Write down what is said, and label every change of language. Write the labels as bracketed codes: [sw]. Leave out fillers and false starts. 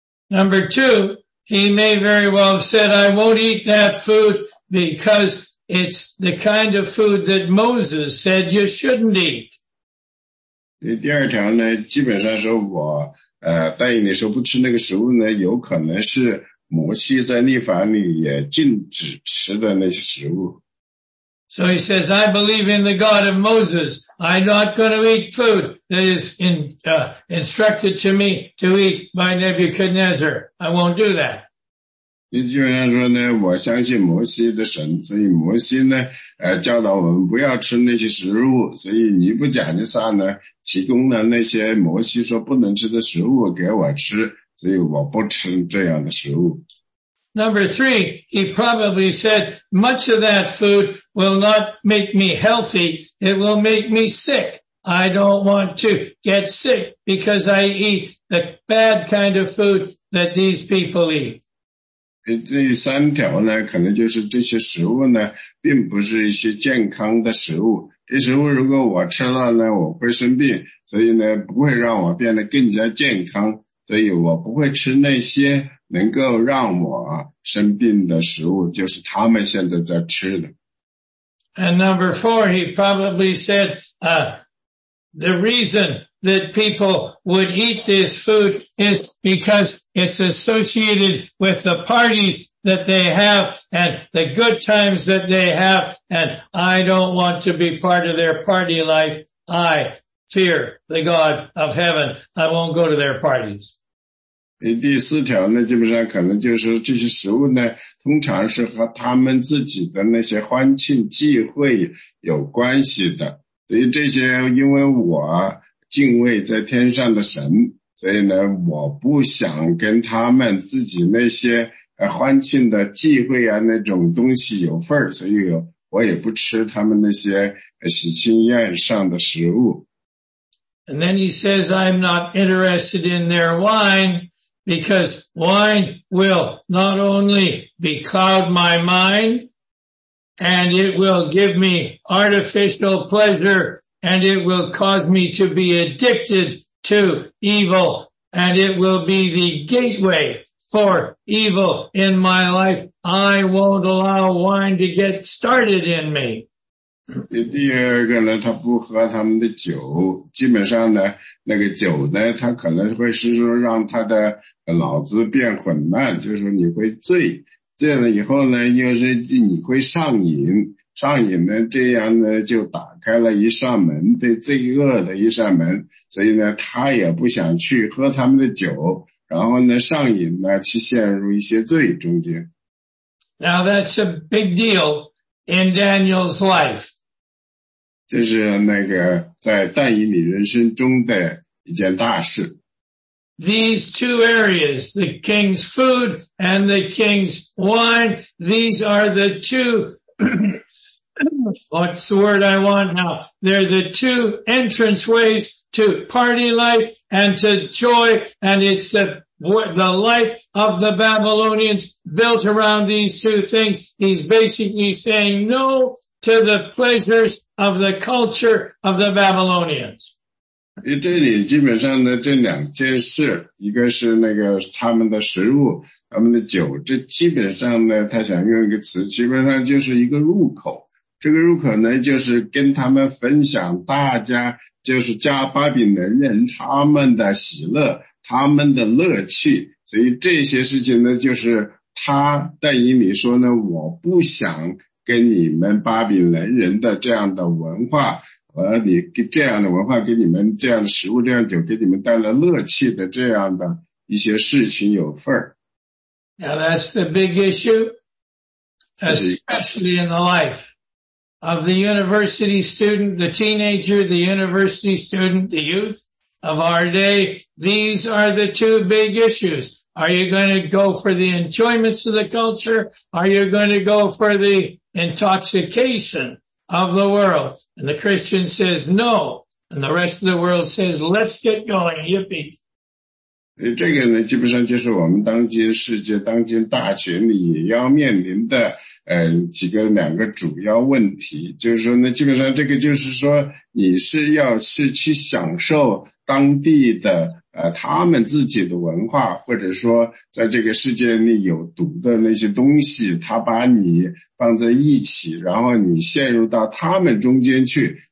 [en] Number two, he may very well have said, I won't eat that food because it's the kind of food that Moses said you shouldn't eat. [zh] 第二条呢，基本上说我答应你说不吃那个食物呢，有可能是摩西在律法里也禁止吃的那些食物。 [en] So he says, I believe in the God of Moses. I'm not going to eat food that is instructed to me to eat by Nebuchadnezzar. I won't do that. [zh] 你基本上说呢，我相信摩西的神，所以摩西呢教导我们不要吃那些食物，所以尼布甲尼撒呢提供了那些摩西说不能吃的食物给我吃，所以我不吃这样的食物。 [en] Number three, he probably said, much of that food will not make me healthy, it will make me sick. I don't want to get sick because I eat the bad kind of food that these people eat. [zh] 第三条呢，可能就是这些食物呢，并不是一些健康的食物。这食物如果我吃了呢，我会生病，所以呢，不会让我变得更加健康，所以我不会吃那些能够让我生病的食物，就是他们现在在吃的。 [en] And number four, he probably said, the reason that people would eat this food is because it's associated with the parties that they have and the good times that they have, and I don't want to be part of their party life. I fear the God of heaven. I won't go to their parties. [zh] 第四条呢，基本上可能就是这些食物呢，通常是和他们自己的那些欢庆忌讳有关系的。所以这些因为我敬畏在天上的神，所以呢，我不想跟他们自己那些欢庆的忌讳啊那种东西有份，所以我也不吃他们那些喜庆宴上的食物。 [en] And then he says, I'm not interested in their wine because wine will not only becloud my mind,And it will give me artificial pleasure, and it will cause me to be addicted to evil, and it will be the gateway for evil in my life. I won't allow wine to get started in me. [zh] 第二个呢，他不喝他们的酒，基本上呢，那个酒呢，他可能会是说让他的脑子变混乱，就是说你会醉。这样以后呢，又是你会上瘾，上瘾呢，这样呢就打开了一扇门，对罪恶的一扇门。所以呢，他也不想去喝他们的酒，然后呢，上瘾呢，去陷入一些罪中间。 [en] Now that's a big deal in Daniel's life. [zh] 这是那个在但以理人生中的一件大事。 [en] These two areas, the king's food and the king's wine, these are the two, what's the word I want now? They're the two entrance ways to party life and to joy, and it's the life of the Babylonians built around these two things. He's basically saying no to the pleasures of the culture of the Babylonians. [zh] 这里基本上呢，这两件事，一个是那个他们的食物，他们的酒，这基本上呢，他想用一个词，基本上就是一个入口，这个入口呢，就是跟他们分享大家，就是加巴比伦人他们的喜乐，他们的乐趣。所以这些事情呢，就是他但以理说呢，我不想跟你们巴比伦人的这样的文化，你这样的文化给你们这样的食物，这样酒给你们带来乐趣的这样的一些事情有份儿。 [en] Now that's the big issue, especially in the life of the university student, the teenager, the university student, the youth of our day. These are the two big issues. Are you going to go for the enjoyments of the culture? Are you going to go for the intoxication of the world? And the Christian says no. And the rest of the world says, let's get going. Yippee. [zh] 这个呢，基本上就是我们当今世界、当今大学里也要面临的，几个两个主要问题。就是说呢，基本上这个就是说，你是要是去享受当地的，他们自己的文化，或者说在这个世界里有毒的那些东西，他把你放在一起，然后你陷入到他们中间去。